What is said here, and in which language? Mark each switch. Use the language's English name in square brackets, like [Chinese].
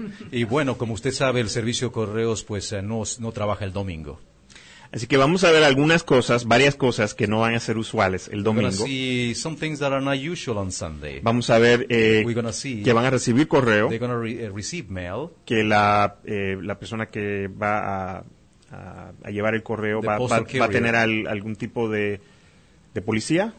[Spanish] Y bueno, como usted sabe, el servicio correos pues no trabaja el domingo. Así que vamos a ver algunas cosas, varias cosas que no van a ser usuales el domingo. [English] Some things that are not usual on Sunday. [Spanish] Vamos a ver que van a recibir correo. [English] They're gonna receive mail. [Spanish] Que la persona que va a llevar el correo va a tener algún tipo de policía.